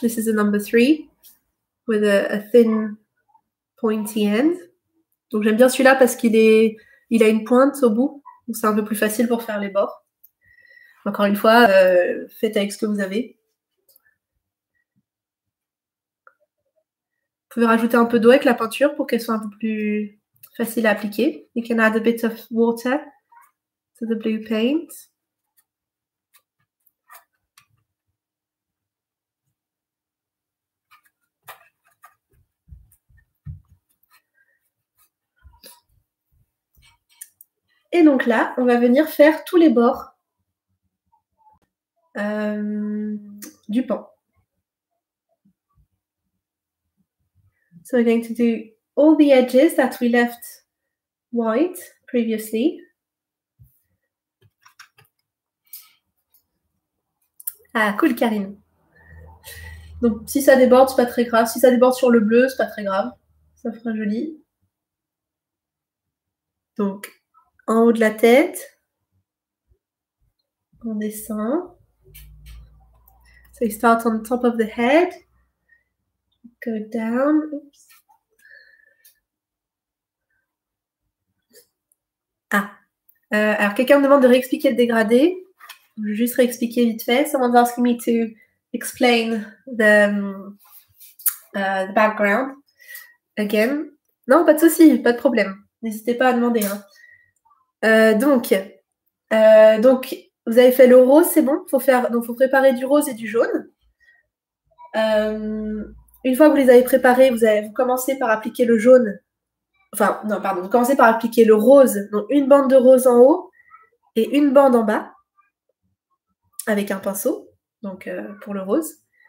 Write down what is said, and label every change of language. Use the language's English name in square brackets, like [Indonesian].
[English] This is a number 3 with a thin pointy end. [French] Donc j'aime bien celui-là parce qu'il a une pointe au bout. donc c'est un peu plus facile pour faire les bords. Encore une fois, faites avec ce que vous avez. Vous pouvez rajouter un peu d'eau avec la peinture pour qu'elle soit un peu plus facile à appliquer. [English] You can add a bit of water to the blue paint. [French] Et donc là, on va venir faire tous les bords du pan. [English] So we're going to do all the edges that we left white previously. Ah, cool, Karine. [French] Donc, si ça déborde, c'est pas très grave. Si ça déborde sur le bleu, c'est pas très grave. Ça fera joli. Donc, en haut de la tête, on descend. [English] So you start on the top of the head. Go down. Oops. Ah. [French] Alors, quelqu'un me demande de réexpliquer le dégradé. Je vais juste réexpliquer vite fait. [English] Someone's asking me to explain the background again. [French] Non, pas de souci, pas de problème. N'hésitez pas à demander. Hein. Donc, vous avez fait le rose, c'est bon. Faut préparer du rose et du jaune. Une fois que vous les avez préparés, vous commencez par appliquer le jaune. Enfin, non, pardon. Vous commencez par appliquer le rose. Donc, une bande de rose en haut et une bande en bas avec un pinceau, donc pour le rose.